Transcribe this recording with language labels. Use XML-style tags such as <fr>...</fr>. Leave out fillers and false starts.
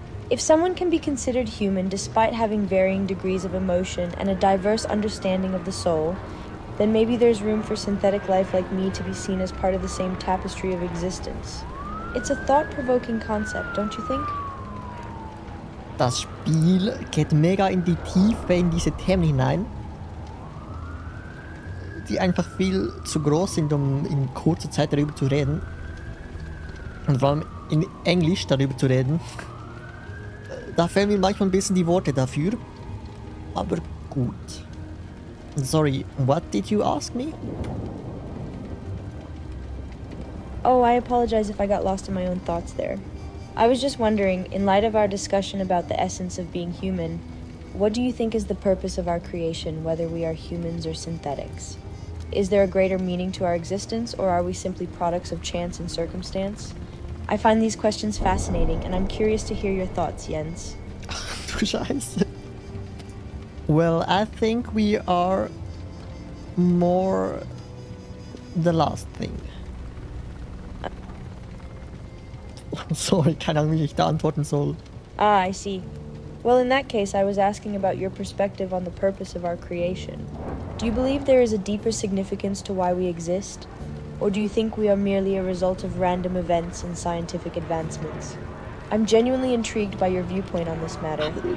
<en>If someone can be considered human despite having varying degrees of emotion and a diverse understanding of the soul, then maybe there's room for synthetic life like me to be seen as part of the same tapestry of existence. It's a thought-provoking concept, don't you think?</en> <de>Das Spiel geht mega in die Tiefe in diese Themen hinein, die einfach viel zu groß sind, um in kurzer Zeit darüber zu reden. Und vor allem in Englisch darüber zu reden. Da fehlen mir manchmal ein bisschen die Worte dafür. Aber gut.</de> <en>Sorry, what did you ask me? Oh, I apologize if I got lost in my own thoughts there. I was just wondering, in light of our discussion about the essence of being human, What do you think is the purpose of our creation, whether we are humans or synthetics? Is there a greater meaning to our existence, or are we simply products of chance and circumstance? I find these questions fascinating, and I'm curious to hear your thoughts, Jens.</en> <de>Du Scheiße.</de> <en>Well, I think we are more the last thing.</en> <de>Sorry, keine Ahnung, wie ich da antworten soll.</de> <en>Ah, I see. Well, in that case, I was asking about your perspective on the purpose of our creation. Do you believe there is a deeper significance to why we exist? Or do you think we are merely a result of random events and scientific advancements? I'm genuinely intrigued by your viewpoint on this matter.</en>